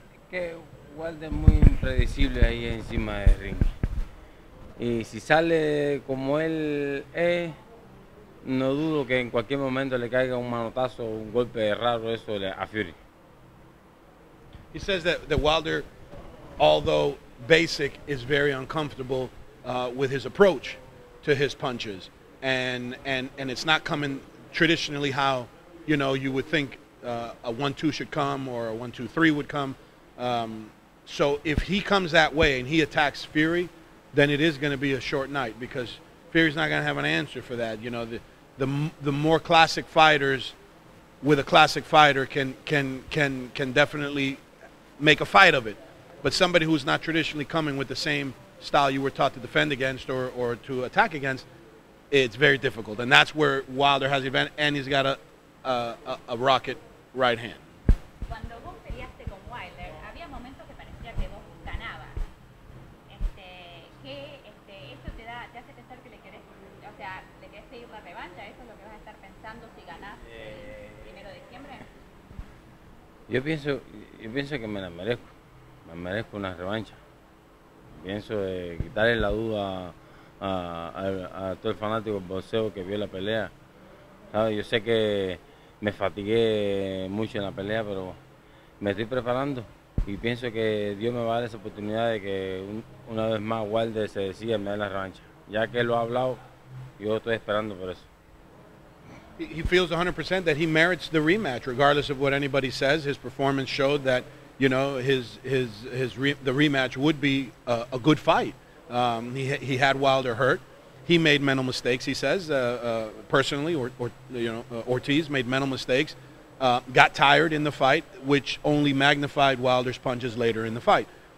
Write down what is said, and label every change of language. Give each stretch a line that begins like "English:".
Spanish: Es que Wilder es muy impredecible ahí encima del ring. Y si sale como él es, no dudo que en cualquier momento le caiga un manotazo, un golpe raro eso a Fury.
English: He says that Wilder, although basic, is very uncomfortable with his approach to his punches, and it's not coming traditionally how, you know, you would think a 1-2 should come or a 1-2-3 would come. So if he comes that way and he attacks Fury, then it is going to be a short night, because Fury's not going to have an answer for that. You know, the more classic fighters with a classic fighter can definitely make a fight of it. But somebody who's not traditionally coming with the same style you were taught to defend against or to attack against, it's very difficult. And that's where Wilder has the advantage, and he's got a rocket right hand.
Spanish: Cuando vos peleaste con Wilder, había momentos que parecía que vos ganabas. ¿Eso te hace pensar que le querés seguir la revancha? ¿Eso es lo que vas a estar pensando si ganás el 1 de diciembre? Yo pienso que me la merezco. Me merezco una revancha. Pienso de quitarle la duda a todo el fanático del boxeo que vio la pelea. ¿Sabe? Yo sé que me fatigué mucho en la pelea, pero me estoy preparando y pienso que Dios me va a dar esa oportunidad de que una vez más Wilder se decida me dé la revancha. Ya que lo ha hablado, yo estoy esperando por eso.
English: He feels 100% that he merits the rematch, regardless of what anybody says. His performance showed that, you know, the rematch would be a good fight. He had Wilder hurt. He made mental mistakes, he says, personally, Ortiz made mental mistakes, got tired in the fight, which only magnified Wilder's punches later in the fight.